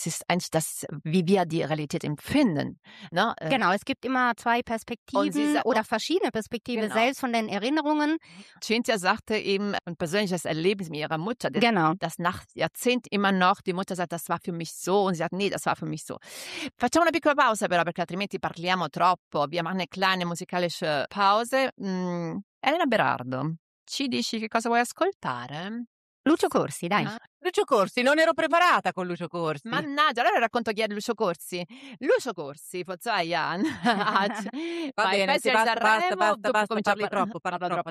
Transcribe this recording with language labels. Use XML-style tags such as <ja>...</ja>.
<de>Es ist eigentlich das, wie wir die Realität empfinden. Ne? Genau, es gibt immer zwei Perspektiven oder verschiedene Perspektive, genau. Selbst von den Erinnerungen. Cinzia sagte eben, ein persönliches Erlebnis mit ihrer Mutter, genau. Das nach Jahrzehnten immer noch, die Mutter sagt, das war für mich so, und sie sagt, nee, das war für mich so.</de> <it>Facciamo una piccola pausa però, perché altrimenti parliamo troppo.</it> <de>Wir machen eine kleine musikalische Pause.</de> <it>Elena Berardo, ci dici che cosa vuoi ascoltare? Lucio Corsi, dai. Ah. Lucio Corsi, non ero preparata con Lucio Corsi. Mannaggia, allora racconto chi è Lucio Corsi. Lucio Corsi, forse hai Jan. Va bene, basta, parli troppo, parla troppo.</it>